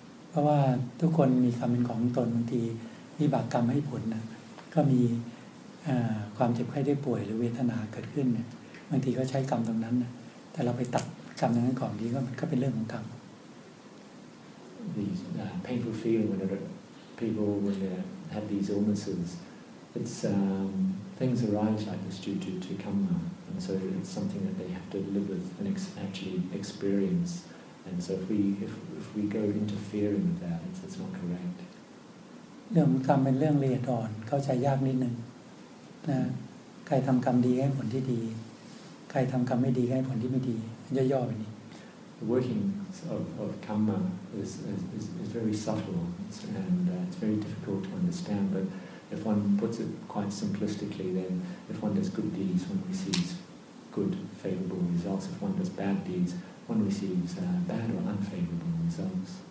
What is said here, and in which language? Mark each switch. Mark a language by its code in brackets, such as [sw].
[th] เพราะว่าทุกคนมีกรรมเป็นของตนบางทีมีบาปกรรมให้ผลนะก็มีความเจ็บไข้ได้ป่วยหรือเวทนาเกิดขึ้นเนี่ยบางทีก็ใช้กรรมตรงนั้นนะแต่เราไปตัดกรรมตรงนั้นก่อนดีก็มันก็เป็นเรื่องของกรรม [en] These painful feeling when people when they have these illnesses it's things arise like this due to karma and so it's something that they have to live with and actually experienceAnd so if we go interfering with that, it's not correct. [th] เรื่องกรรมเป็นเรื่องละเอียดอ่อนเข้าใจยากนิดนึงนะใครทำกรรมดีให้ผลที่ดีใครทำกรรมไม่ดีให้ผลที่ไม่ดีย่อๆไปนี่ [en] The workings of karma is very subtle and it's very difficult to understand. But if one puts it quite simplistically, then if one does good deeds, one receives good favorable results. If one does bad deeds. One receives bad or unfavorable results.